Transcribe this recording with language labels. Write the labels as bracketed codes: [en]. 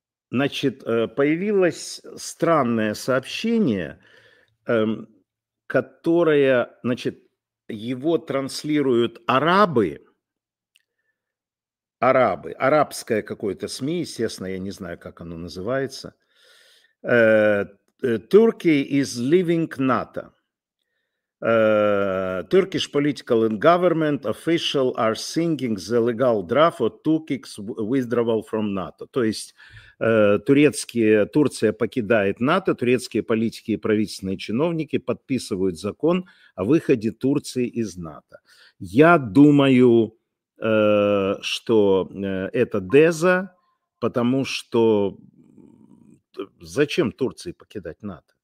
[ru] Значит, появилось странное сообщение, которое, значит, его транслируют арабы, арабское какое-то СМИ, естественно, я не знаю, как оно называется, [en] Turkey is leaving NATO. Turkish political and government official are singing the legal draft of Turkey's withdrawal from NATO. [ru] То есть Турция покидает НАТО, турецкие политики и правительственные чиновники подписывают закон о выходе Турции из НАТО. Я думаю, что это деза, потому что зачем Турции покидать НАТО?